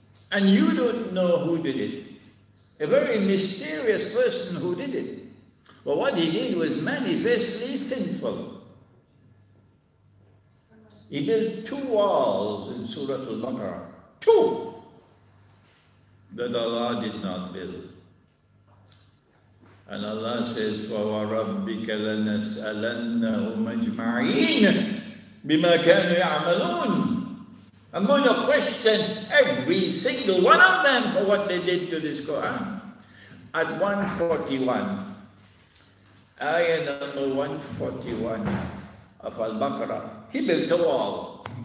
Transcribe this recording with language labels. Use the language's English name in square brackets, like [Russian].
[English] And you don't know who did it. A very mysterious person who did it. But what he did was manifestly sinful. He built two walls in Surah Al-Baqarah. Two! That Allah did not build. And Allah says, [Arabic] فَوَرَبِّكَ لَنَسْأَلَنَّهُمْ أَجْمَعِينَ بِمَا كَانُوا يَعْمَلُونَ. [English] I'm going to question every single one of them for what they did to this Quran. At 141, ayah number 141 of Al-Baqarah, he built a wall.